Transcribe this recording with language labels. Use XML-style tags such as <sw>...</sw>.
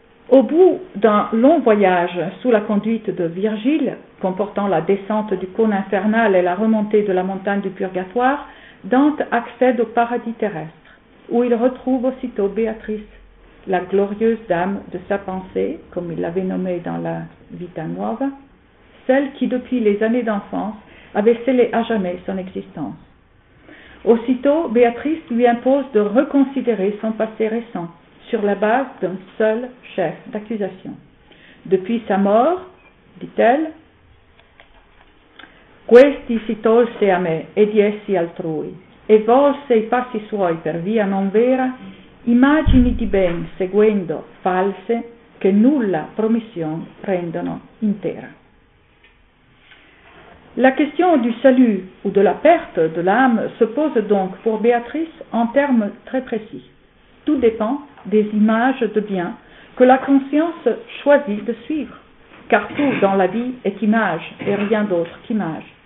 <fr>Au bout d'un long voyage sous la conduite de Virgile, comportant la descente du cône infernal et la remontée de la montagne du purgatoire, Dante accède au paradis terrestre, où il retrouve aussitôt Béatrice, la glorieuse dame de sa pensée, comme il l'avait nommée dans la Vita Nuova, celle qui depuis les années d'enfance avait scellé à jamais son existence. Aussitôt, Béatrice lui impose de reconsidérer son passé récent, sur la base d'un seul chef d'accusation. Depuis sa mort, dit-elle,</fr> <it>questi si tolse a me e diessi altrui, e volse i passi suoi per via non vera, immagini di ben seguendo false che nulla promission rendono intera.</it> <fr>La question du salut ou de la perte de l'âme se pose donc pour Béatrice en termes très précis. Tout dépend des images de bien que la conscience choisit de suivre, car tout dans la vie est image et rien d'autre qu'image.</fr>